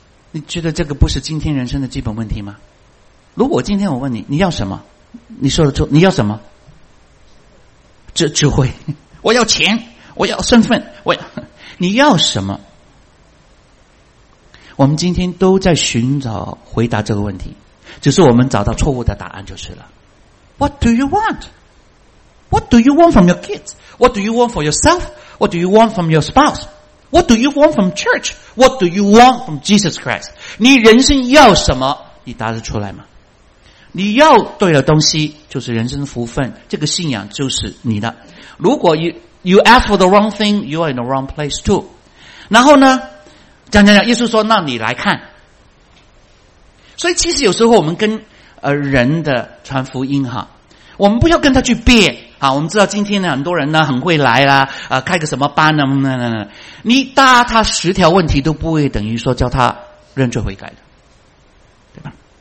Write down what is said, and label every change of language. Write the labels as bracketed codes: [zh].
[zh] 你觉得这个不是今天人生的基本问题吗？如果今天我问你你要什么，你说得出你要什么？这智慧，我要钱，我要身份，我要，你要什么？我们今天都在寻找回答这个问题，只是我们找到错误的答案就是了。 [en] What do you want? What do you want from your kids? What do you want for yourself? What do you want from your spouse? What do you want from church? What do you want from Jesus Christ? [zh] 你人生要什么？你答得出来吗？你要对的东西就是人生福分，这个信仰就是你的。如果 [en] you ask for the wrong thing, you are in the wrong place too. [zh] 然后呢讲耶稣说那你来看。所以其实有时候我们跟人的传福音哈，我们不要跟他去辩啊，我们知道今天呢很多人呢很会来啦，开个什么班呢，你答他十条问题都不会等于说叫他认罪悔改的，对吧？